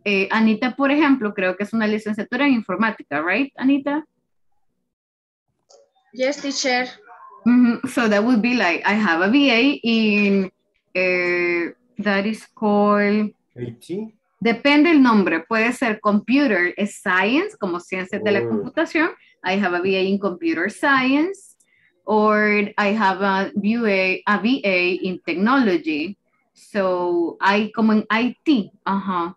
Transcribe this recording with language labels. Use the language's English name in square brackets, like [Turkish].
[Spanish] Anita, por ejemplo, creo que es una licenciatura en informática, right, Anita? [English] Yes, teacher. Mm-hmm. So that would be like, I have a BA in, that is called... IT? [Spanish] Depende el nombre, puede ser computer science, como ciencias de la computación. [English] I have a BA in computer science. Or I have a BA in technology. [Spanish] So, I como en IT, ajá.